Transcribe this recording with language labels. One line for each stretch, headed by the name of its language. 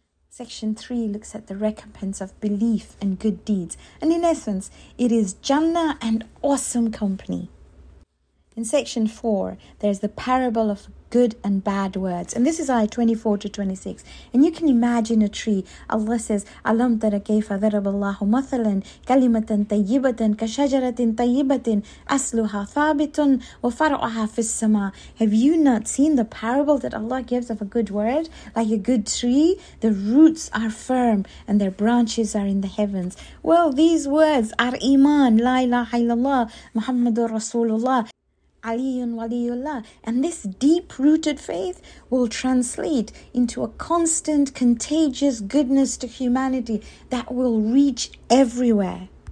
English: Section 3 looks at the recompense of belief and good deeds. And in essence, it is Jannah and awesome company. In section 4, there's the parable of good and bad words. And this is ayah 24 to 26. And you can imagine a tree.
Arabic: Allah says, أَلَمْ تَرَ كَيْفَ ذَرَبَ اللَّهُ مَثَلًا كَلِمَةً طَيِّبَةً كَشَجَرَةٍ طَيِّبَةٍ أَصْلُهَا ثَابِتٌ وَفَرْعُهَا فِي السَّمَاءِ.
English: Have you not seen the parable that Allah gives of a good word? Like a good tree, the roots are firm and their branches are in the heavens. Well, these words are iman,
Arabic: لا إله إلا الله, Muhammadur Rasulullah, Aliyun Waliyullah,
English: and this deep-rooted faith will translate into a constant, contagious goodness to humanity that will reach everywhere.